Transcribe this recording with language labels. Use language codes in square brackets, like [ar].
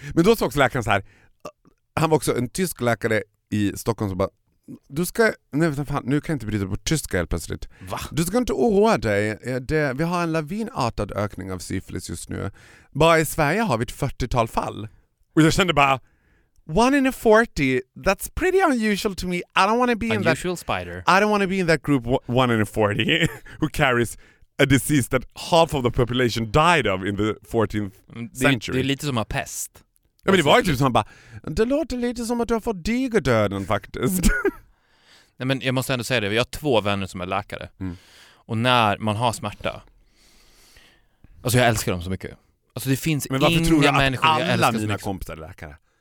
[sv] Men då sa också läkaren så här, han var också en tysk läkare i Stockholm som bara, du ska, nej, vänta, fan, nu kan jag inte bryta på tyska helt plötsligt. Va? Du ska inte oroa dig. Vi har en lavinartad ökning av syfilis just nu. Bara i Sverige har vi ett 40-tal fall. Och jag kände bara, [en] one in a 40, that's pretty unusual to me. I don't want to be in unusual that spider. I don't want to be in that group, one in a 40, who carries a disease that half of the population died of in the 14th century. [sv] Det är lite som en pest. Ja, men det var ju typ som bara, det låter lite som att du har fått diga döden faktiskt. Nej, men jag måste ändå säga det. Jag har två vänner som är läkare. Mm. Och när man har smärta, alltså jag älskar dem så mycket. Alltså det finns inga människor jag älskar. Men varför tror du att alla mina kompisar är läkare?